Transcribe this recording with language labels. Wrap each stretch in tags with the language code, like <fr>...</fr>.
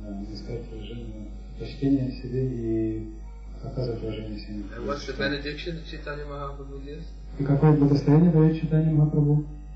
<ru>Искать уважение, почтение себе и оказывать уважение себе.</ru> <en>And what's the benediction that Chaitanya Mahaprabhu gives?</en> <ru>И какое благословение дает Чайтанья Махапрабху?</ru>